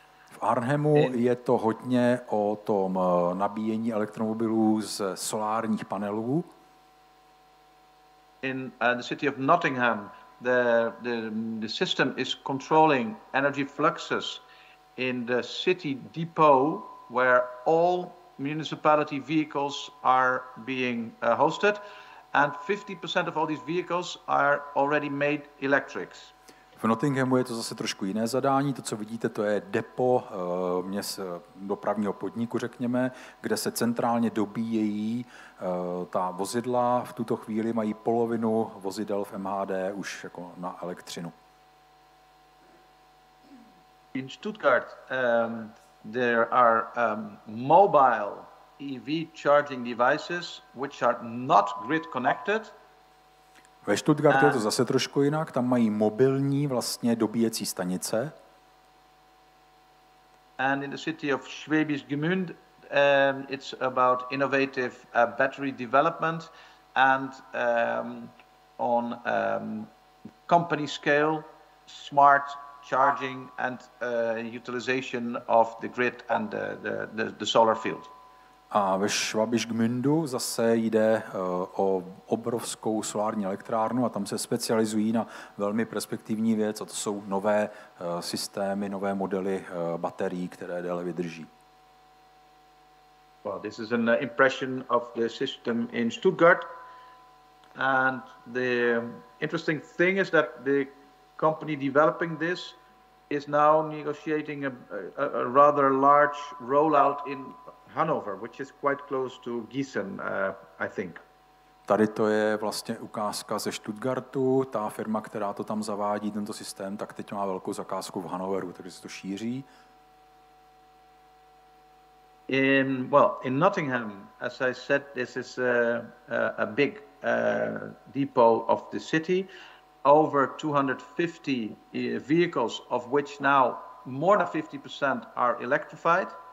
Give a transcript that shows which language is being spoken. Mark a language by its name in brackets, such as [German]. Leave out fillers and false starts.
[Czech] V Arnhemu je to hodně o tom nabíjení elektromobilů z solárních panelů. [English] In the city of Nottingham, the system is controlling energy fluxes in the city depot where all municipality vehicles are being hosted, and 50% of all these vehicles are already made electric. [Czech] V Nottinghamu je to zase trošku jiné zadání. To, co vidíte, to je depo měst dopravního podniku, řekněme, kde se centrálně dobíjejí ta vozidla. V tuto chvíli mají polovinu vozidel v MHD už jako na elektřinu. [English] In Stuttgart there are mobile EV charging devices which are not grid connected. [Czech] Ve Stuttgartu je to zase trošku jinak, tam mají mobilní vlastně dobíjecí stanice. [English] And in the city of Schwäbisch Gmünd, it's about innovative battery development and on company scale smart charging and utilization of the grid and the solar field. [Czech] A ve Schwäbisch Gmündu zase jde o obrovskou solární elektrárnu a tam se specializují na velmi perspektivní věc, a to jsou nové systémy, nové modely baterií, které déle vydrží. [English] Well, this is an impression of the system in Stuttgart. And the interesting thing is that the company developing this is now negotiating a rather large rollout in Hanover, which is quite close to Gießen, I think. [Czech] Tady to je vlastně ukázka ze Stuttgartu. Ta firma, která to tam zavádí, tento systém, tak teď má velkou zakázku v Hanoveru, takže se to šíří. [English] In Nottingham, as I said, this is a big depot of the city. Over 250 vehicles, of which now more than 50% are electrified.